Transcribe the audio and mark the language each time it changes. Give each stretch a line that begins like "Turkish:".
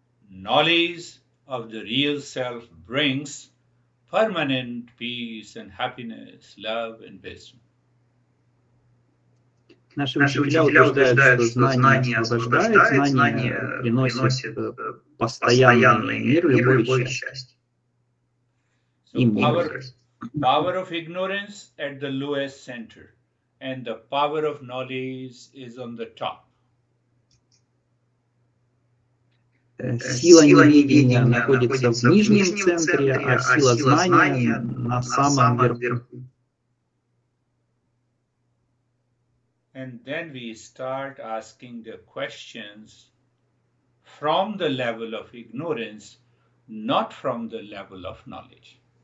English: Knowledge of the real self brings permanent peace and happiness, love and wisdom.
Russian: Наши учителя утверждают, что знание освобождает, знание приносит постоянный мир, любовь и счастье.
English: Power of ignorance at the lowest center, and the power of knowledge is on the top.
Russian: Сила неведения находится в нижнем центре, а сила знания на самом верху.
English: And then we start asking the questions from the level of ignorance, not from the level of knowledge.